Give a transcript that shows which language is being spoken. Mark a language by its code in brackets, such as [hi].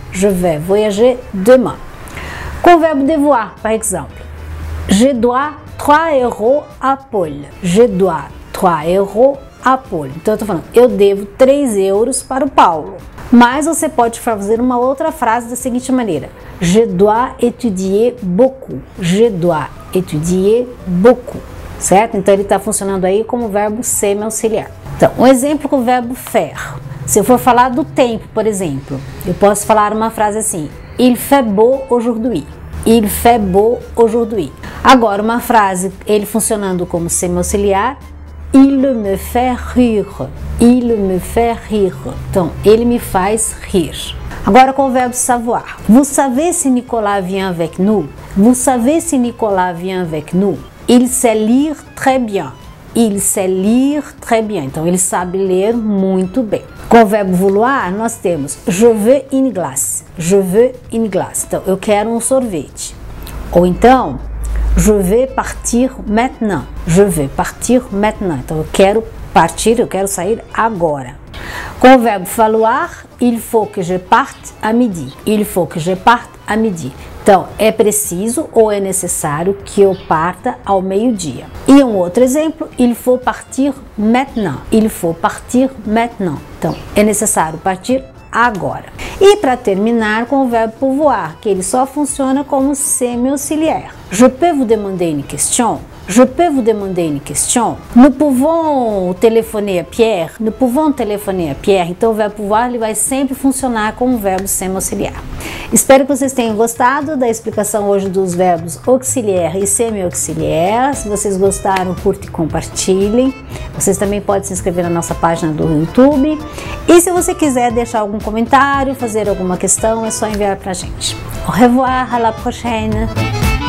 [fr] Je vais voyager demain. [pt] Com o verbo devoir, por exemplo. [fr] Je dois 3 euros à Paul. Je dois 3 euros à Paul. [pt] Então, eu estou falando, eu devo 3 euros para o Paulo. Mas você pode fazer uma outra frase da seguinte maneira. [fr] Je dois étudier beaucoup. Je dois étudier beaucoup. [pt] Certo? Então, ele está funcionando aí como verbo semi-auxiliar. Então, um exemplo com o verbo faire. Se eu for falar do tempo, por exemplo, eu posso falar uma frase assim: [fr] Il fait beau aujourd'hui. Il fait beau aujourd'hui. [pt] Agora, uma frase, ele funcionando como semi-auxiliar: [fr] Il me fait rire. Il me fait rire. [pt] Então, ele me faz rir. Agora com o verbo savoir. [fr] Vous savez si Nicolas vient avec nous? Vous savez si Nicolas vient avec nous? Il sait lire très bien. Il sait lire très bien. [pt] Então, ele sabe ler muito bem. Com o verbo vouloir, nós temos [fr] je veux une glace. Je veux une glace. [pt] Então, eu quero um sorvete. Ou então, [fr] je vais partir maintenant. Je vais partir maintenant. [pt] Então, eu quero partir, eu quero sair agora. Com o verbo falloir, [fr] il faut que je parte à midi. Il faut que je parte à midi. [pt] Então, é preciso ou é necessário que eu parta ao meio-dia. E um outro exemplo, [fr] il faut partir maintenant. Il faut partir maintenant. [pt] Então, é necessário partir agora. E para terminar com o verbo pouvoir, que ele só funciona como semi-auxiliaire. [fr] Je peux vous demander une question? Je peux vous demander une question? Nous pouvons téléphoner à Pierre? Nous pouvons téléphoner à Pierre? [pt] Então, o verbo pouvoir ele vai sempre funcionar como verbo semi-auxiliar. Espero que vocês tenham gostado da explicação hoje dos verbos auxiliaire e semi-auxiliaire. Se vocês gostaram, curte e compartilhem. Vocês também podem se inscrever na nossa página do YouTube. E se você quiser deixar algum comentário, fazer alguma questão, é só enviar para a gente. [fr] Au revoir, à la prochaine!